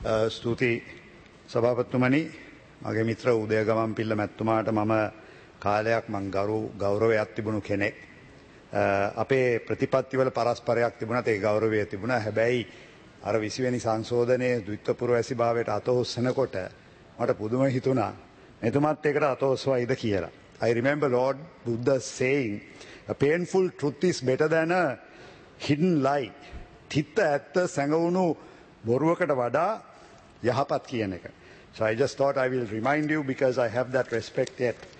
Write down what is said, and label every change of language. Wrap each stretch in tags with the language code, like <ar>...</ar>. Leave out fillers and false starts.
<si>ස්තුතියි සභාපතිතුමනි, මගේ මිත්‍ර උදයගමන්පිල්ල මැතිතුමාට මම කාලයක් මං ගරු ගෞරවයක් තිබුණු කෙනෙක්. අපේ ප්‍රතිපත්තිවල පරස්පරයක් තිබුණත් ඒ ගෞරවය තිබුණ. හැබැයි අර විසිවැනි සංශෝධනයේ ද්විත්වපුර ඇසි භාවයට අතොස්සනකොට මට පුදුම හිතුණා, මෙතුමත් ඒකට අතොස්සවයිද කියලා.</si> <en>I remember Lord Buddha saying, a painful truth is better than a hidden lie.</en> <si>තිත්ත ඇත්ත සැඟවුණු බොරුවකට වඩා යහපත් කියන එක.</si> <en>So I just thought I will remind you because I have that respect yet.</en>